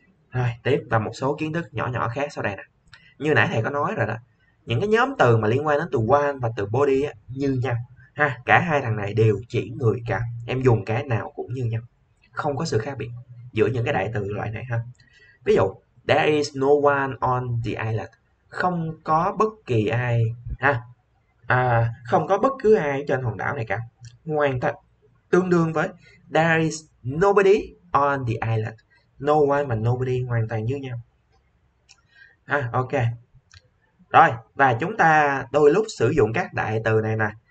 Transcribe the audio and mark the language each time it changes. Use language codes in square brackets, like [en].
[vi] Rồi, tiếp và một số kiến thức nhỏ nhỏ khác sau đây nè. Như nãy thầy có nói rồi đó. Những cái nhóm từ mà liên quan đến từ one và từ body á, như nhau. Ha, cả hai thằng này đều chỉ người cả. Em dùng cái nào cũng như nhau. Không có sự khác biệt giữa những cái đại từ loại này ha. Ví dụ, [en] there is no one on the island. [vi] Không có bất kỳ ai ha. À, không có bất cứ ai trên hòn đảo này cả. Hoàn toàn tương đương với [en] there is nobody on the island. [vi] No one và nobody hoàn toàn như nhau. À, ok. Rồi, và chúng ta đôi lúc sử dụng các đại từ này nè.